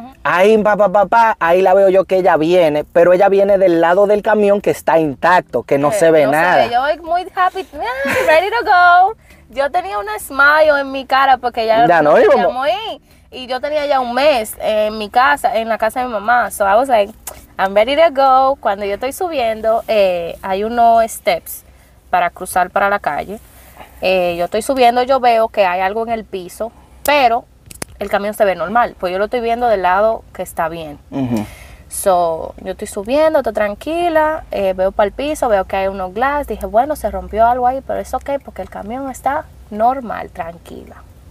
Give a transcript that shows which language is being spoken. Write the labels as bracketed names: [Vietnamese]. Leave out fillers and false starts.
[Spanish] Ahí, ahí la veo yo que ella viene, pero ella viene del lado del camión que está intacto, que no se ve nada. Yo muy [English] happy, ready to go. [Spanish] Yo tenía una [English] smile [Spanish] en mi cara porque ya no iba a morir. Y yo tenía ya un mes en mi casa, en la casa de mi mamá. [English] So I was like, I'm ready to go. [Spanish] Cuando yo estoy subiendo, hay unos [English] steps [Spanish] para cruzar para la calle. Yo estoy subiendo, yo veo que hay algo en el piso, pero el camión se ve normal, pues yo lo estoy viendo del lado que está bien. So, yo estoy subiendo, estoy tranquila, veo para el piso, veo que hay unos [English] glass, [Spanish] dije, bueno, se rompió algo ahí, pero es ok, porque el camión está normal, tranquila.